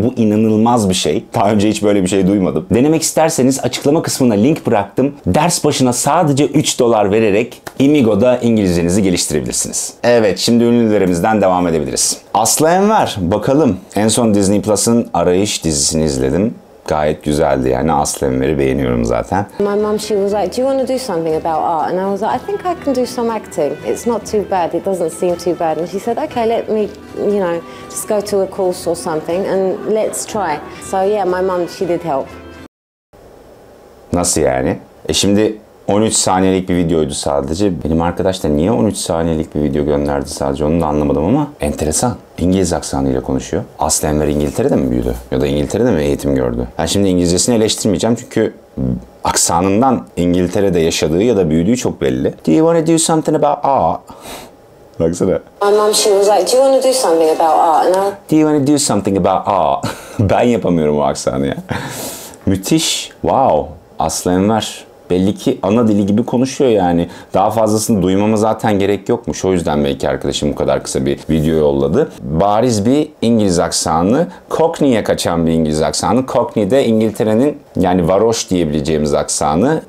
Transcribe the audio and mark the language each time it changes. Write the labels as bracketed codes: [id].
[tr] Bu inanılmaz bir şey. Daha önce hiç böyle bir şey duymadım. Denemek isterseniz açıklama kısmına link bıraktım. Ders başına sadece $3 vererek Inmigo'da İngilizcenizi geliştirebilirsiniz. Evet, şimdi ünlülerimizden devam edebiliriz. Aslı Enver, bakalım. En son Disney Plus'ın Arayış dizisini izledim. gayet güzeldi yani. Aslenleri beğeniyorum zaten. [en] My mom, she was like, do you want to do something about art? And I was like, I think I can do some acting. It's not too bad. It doesn't seem too bad. And she said, okay, let me, you know, just go to a course or something and let's try. So yeah, my mom, she did help. [tr] Nasıl yani? Şimdi 13 saniyelik bir videoydu sadece. Benim arkadaş da niye 13 saniyelik bir video gönderdi sadece, onu da anlamadım ama enteresan. İngiliz aksanıyla konuşuyor. Aslenler İngiltere'de mi büyüdü? Ya da İngiltere'de mi eğitim gördü? Ben şimdi İngilizcesini eleştirmeyeceğim çünkü aksanından İngiltere'de yaşadığı ya da büyüdüğü çok belli. [en] Do you want to do something about art? [tr] Baksana. [en] My mom, she was like, do you want to do something about art? Do you want to do something about art? [tr] Ben yapamıyorum o aksanı ya. Müthiş. Wow. Aslenler. Belli ki ana dili gibi konuşuyor yani. Daha fazlasını duymama zaten gerek yokmuş. O yüzden belki arkadaşım bu kadar kısa bir video yolladı. Bariz bir İngiliz aksanı. Cockney'e kaçan bir İngiliz aksanı. Cockney de İngiltere'nin yani varoş diyebileceğimiz aksanı.